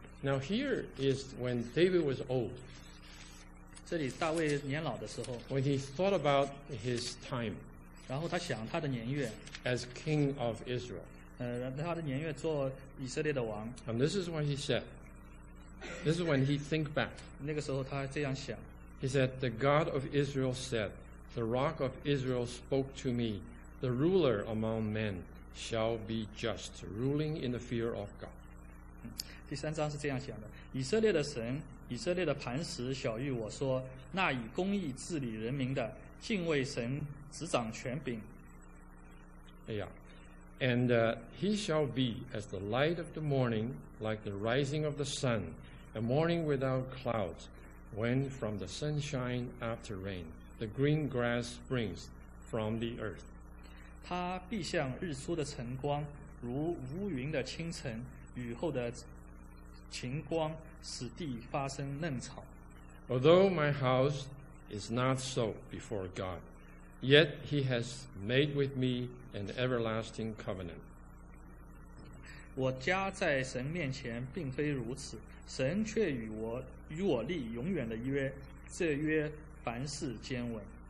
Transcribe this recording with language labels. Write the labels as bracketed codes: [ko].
[en] Now here is when David was old. [zh] 这里大卫年老的时候 [en] when he thought about his time, [zh] 然后他想他的年月 [en] as king of Israel, [zh] 他的年月做以色列的王 [en] and this is what he said, this is when he think back, [zh] 那个时候他这样想 [en] he said, the God of Israel said, the rock of Israel spoke to me, the ruler among men shall be just, ruling in the fear of God. [zh] 第三章是这样想的以色列的神以色列的磐石晓谕我说那以公义治理人民的敬畏神执掌权柄 Yeah. [en] And he shall be as the light of the morning like the rising of the sun a morning without clouds when from the sunshine after rain the green grass springs from the earth [zh] 他必像日出的晨光如无云的清晨雨后的晴光使地发生嫩草。 [en] Although my house is not so before God, yet he has made with me an everlasting covenant. [zh] 我家在神面前并非如此，神却与我立永远的约，这约凡事坚稳。